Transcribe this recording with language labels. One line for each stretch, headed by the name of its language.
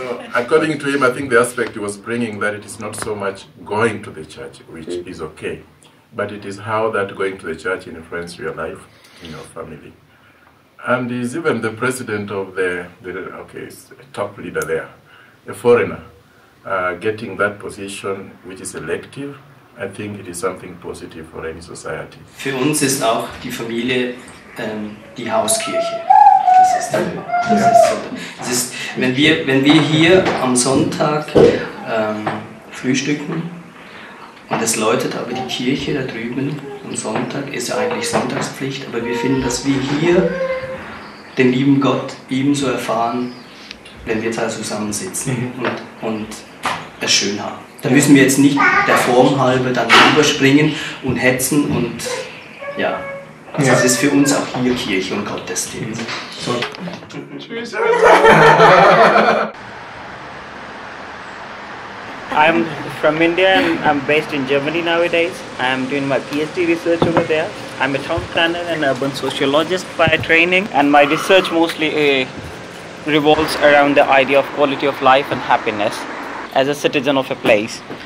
English: So, according to him, I think the aspect he was bringing that it is not so much going to the church, which is okay, but it is how that going to the church influences your life, in your family. And he's even the president of he's a top leader there, a foreigner, getting that position, which is elective. I think it is something positive for any society.
German: Für uns ist auch die Familie die Hauskirche. Das ist wenn wir hier am Sonntag frühstücken und es läutet aber die Kirche da drüben am Sonntag, ist ja eigentlich Sonntagspflicht, aber wir finden, dass wir hier den lieben Gott ebenso erfahren, wenn wir da zusammensitzen und es schön haben. Da müssen wir jetzt nicht der Form halber dann rüberspringen und hetzen und ja. Also es ist für uns auch hier Kirche und Gottesdienst. So. Tschüss.
English: I'm from India and I'm based in Germany nowadays. I'm doing my PhD research over there. I'm a town planner and urban sociologist by training, and my research mostly revolves around the idea of quality of life and happiness as a citizen of a place.